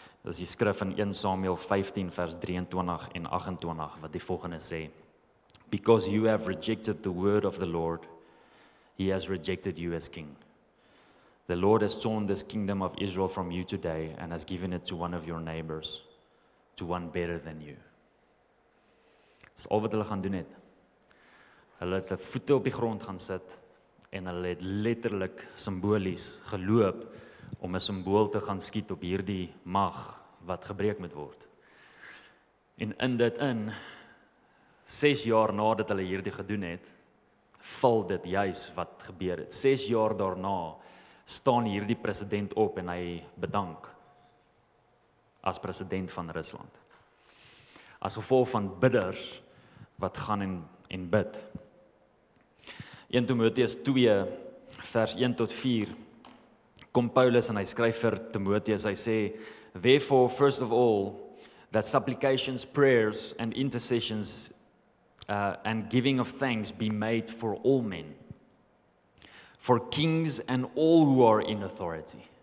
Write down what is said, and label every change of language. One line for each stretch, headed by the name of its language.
Afrikaans: Dit is die skrif in 1 Samuel 15 vers 23 en 28 wat die volgende sê,
English: because you have rejected the word of the Lord, he has rejected you as king. The Lord has torn this kingdom of Israel from you today and has given it to one of your neighbors, to one better than you.
Afrikaans: Dis al wat hulle gaan doen het. Hulle het hulle voete op die grond gaan sit en hulle het letterlik simbolies geloop om 'n simbool te gaan skiet op hierdie mag wat gebreek moet word. En in dit in, 6 jaar nadat hulle hierdie gedoen het, val dit juis wat gebeur het. 6 jaar daarna, staan hierdie president op en hy bedank as president van Rusland. As gevolg van bidders wat gaan en bid. 1 Timoteus 2 vers 1 tot 4 kom Paulus en hy skryf vir Timoteus, hy sê,
English: therefore, first of all, that supplications, prayers and intercessions and giving of thanks be made for all men, for kings and all who are in authority.